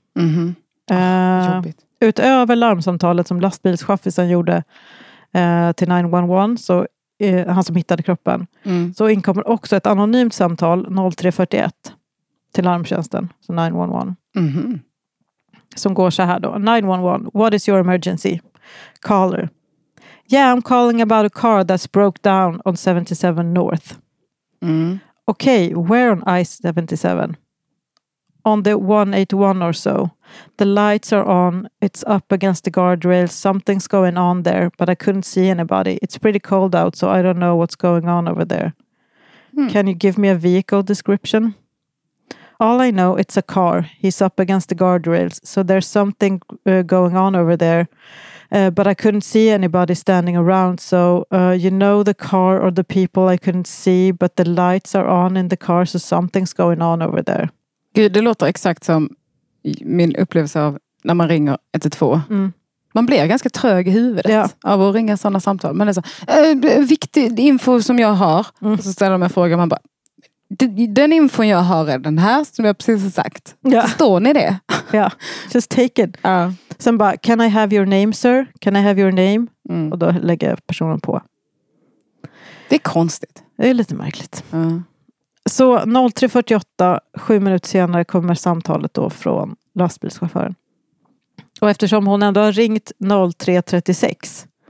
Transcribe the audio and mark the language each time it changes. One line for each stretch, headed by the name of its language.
Swedish: Mm-hmm. Utöver larmsamtalet som lastbilschaffisen gjorde till 911, så, han som hittade kroppen, så inkommer också ett anonymt samtal 03:41 till larmtjänsten, så 911. Mm-hmm. Som går så här då: 911, what is your emergency?
English: Caller: yeah, I'm calling about a car that's broke down on 77 North. Mm. Okay, where on I-77? On the 181 or so. The lights are on. It's up against the guardrails. Something's going on there, but I couldn't see anybody. It's pretty cold out, so I don't know what's going on over there. Hmm. Can you give me a vehicle description? All I know, it's a car. He's up against the guardrails, so there's something going on over there. But I couldn't see anybody standing around. So, you know, the car or the people I couldn't see, but the lights are on in the car, so something's going on over there.
Swedish: Gud, det låter exakt som min upplevelse av när man ringer 112. Mm. Man blir ganska trög i huvudet, ja, av att ringa sådana samtal. Men det är så, viktig info som jag har. Mm. Och så ställer man frågan, man bara, den info jag har är den här som jag precis har sagt. Ja. Förstår ni det?
English: Ja, just take it. Sen bara, can I have your name, sir? Can I have your name? Mm.
Swedish: Och då lägger personen på. Det är konstigt. Det är lite märkligt. Ja. Så 03:48, 7 minuter senare, kommer samtalet då från lastbilschauffören. Och eftersom hon ändå har ringt 03:36.